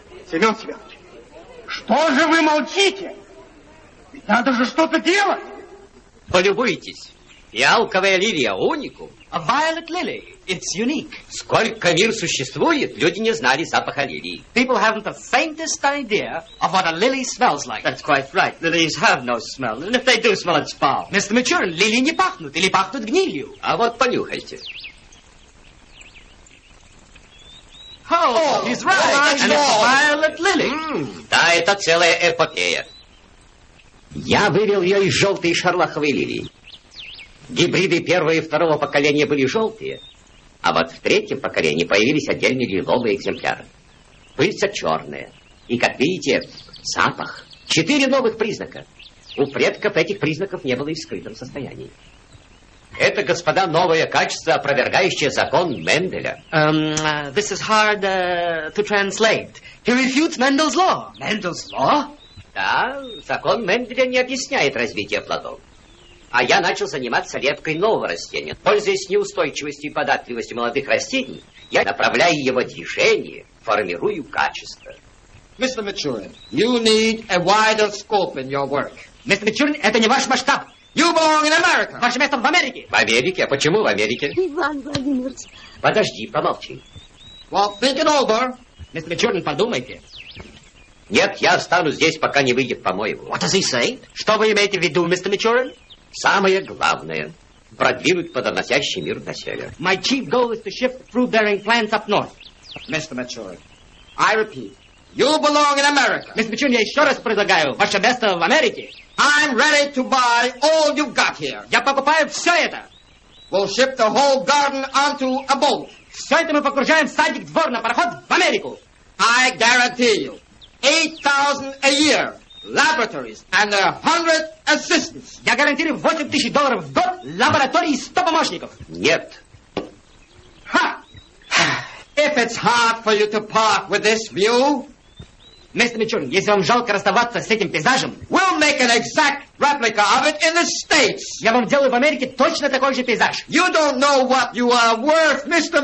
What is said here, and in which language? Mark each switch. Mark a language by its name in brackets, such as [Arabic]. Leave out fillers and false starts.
[Russian] Семен Семенович, что же вы молчите? Ведь надо же что-то делать! Полюбуйтесь. Фиалковая лилия, уникум. [English] A violet lily. It's unique. [Russian] Сколько мир существует, люди не знали запаха лилии. [English] People haven't the faintest idea of what a lily smells like. That's quite right. Lilies have no smell. And if they do smell, it's foul. Mr. [Russian] Мичурин, лилии не пахнут или пахнут гнилью. А вот понюхайте. [English] Oh, he's right. Oh, and it's a violet lily. [Russian] Да, это целая эпопея. Я вывел ее из желтой шарлаховой лилии. Гибриды первого и второго поколения были желтые, а вот в третьем поколении появились отдельные лиловые экземпляры. Пыльца черная. И, как видите, запах. Четыре новых признака. У предков этих признаков не было и в скрытом состоянии. Это, господа, новое качество, опровергающее закон Менделя. [English] This is hard to translate. He refutes Mendel's law. Mendel's law? [Russian] Да, закон Менделя не объясняет развитие плодов. А я начал заниматься лепкой нового растения. Пользуясь неустойчивостью и податливостью молодых растений, я направляю его движение, формирую качество. [English] Mr. Мичурин, you need a wider scope in your work. Mr. [Russian] Мичурин, это не ваш масштаб. [English] You belong in America. [Russian] Ваше место в Америке. В Америке? А почему в Америке? Иван Владимирович. Подожди, помолчи. [English] Well, think it over. [Russian] Mr. Мичурин, подумайте. Нет, я останусь здесь, пока не выйдет, по-моему. [English] What does he say? [Russian] Что вы имеете в виду, Mr. Мичурин? Самое главное, продвинуть плодоносящий мир на север. [English] My chief goal is to shift the fruit-bearing plants up north. Mr. Maturin, I repeat, you belong in America. Mr. [Russian] Maturin, я еще раз предлагаю, ваше место в Америке. [English] I'm ready to buy all you've got here. [Russian] Я покупаю все это. [English] We'll ship the whole garden onto a boat. [Russian] Все это мы погружаем в садик, двор на пароход в Америку. [English] I guarantee you, 8,000 a year, laboratories and 100 assistants. [Russian] Я гарантирую 8000 долларов в год, лаборатории и 100 помощников. Нет. Ха! [English] If it's hard for you to part with this view, Mr. [Russian] Maturin, если вам жалко расставаться с этим пейзажем, [English] we'll make an exact replica of it in the States. [Russian] Я вам сделаю в Америке точно такой же пейзаж. [English] You don't know what you are worth, Mr.